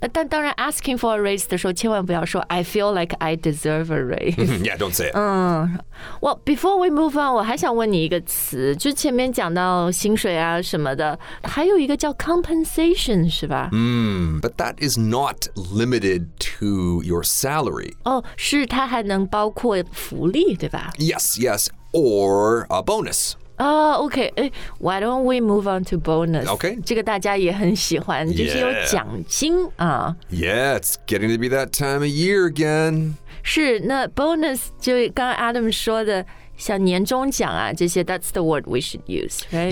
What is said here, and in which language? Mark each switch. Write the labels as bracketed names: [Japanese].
[Chinese] 但当然 [English] asking for a raise [Chinese] 的时候千万不要说 [English] I feel like I deserve a raise. Yeah, don't say it. Well, before we move on, [Chinese] 我还想问你一个词，就前面讲到薪水啊什么的，还有一个叫 compensation, 是吧 [English] But that is not limited to your salary. [Chinese] 哦、oh, ，是它还能包括福利，对吧 [English] Yes, yes, or a bonus. Okay, why don't we move on to bonus? Okay. [Chinese] 这个大家也很喜欢、 [English] yeah. [Chinese] 就是有奖金、 [English] Yeah, it's getting to be that time of year again. [Chinese] 是那 bonus 就刚刚 Adam 说的像年终奖啊这些 [English] that's the word we should use, right?